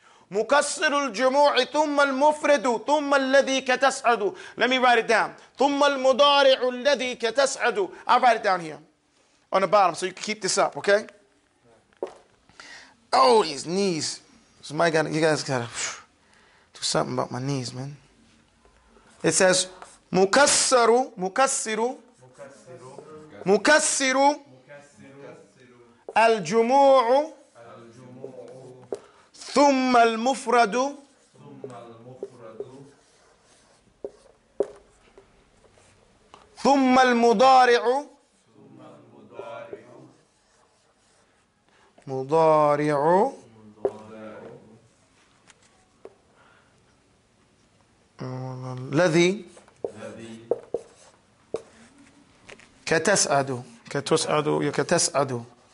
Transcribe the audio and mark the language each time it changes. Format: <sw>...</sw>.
<ar>مكسر الجموع ثم المفرد ثم الذي كتسعد.</ar> <en>Let me write it down.</en> <ar>ثم المضارع الذي كتسعد.</ar> <en>I'll write it down here on the bottom so you can keep this up, okay? Oh, these knees. Somebody gotta, you guys gotta do something about my knees, man. It says,</en> <ar>مكسر, مكسر, مكسر, الجموع. ثم المفرد ثم المضارع مضارع الذي كتسعد كتسعد كتسعد.</ar>